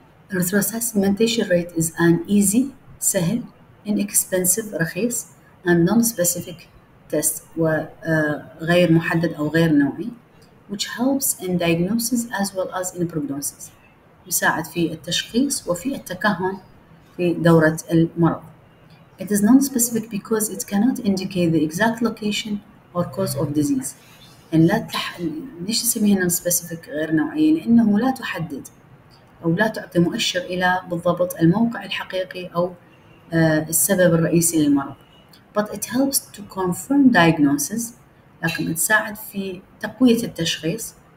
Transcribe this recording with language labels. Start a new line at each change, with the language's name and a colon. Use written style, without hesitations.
English: Erythrocyte segmentation rate is an easy,
Arabic: سهل,
English: inexpensive,
Arabic: رخيص,
English: and non-specific test,
Arabic: وغير محدد أو غير نوعي,
English: which helps in diagnosis as well as in prognosis.
Arabic: يساعد في التشخيص وفي التكهن في دورة المرض.
English: It is non-specific because it cannot indicate the exact location or cause of disease.
Arabic: And ليش نسميها non-specific غير نوعية؟ لأنه لا تحدد أو لا تعطي مؤشر إلى بالضبط الموقع الحقيقي أو السبب الرئيسي للمرض.
English: But it helps to confirm diagnosis.
Arabic: لكن تساعد في تقوية التشخيص.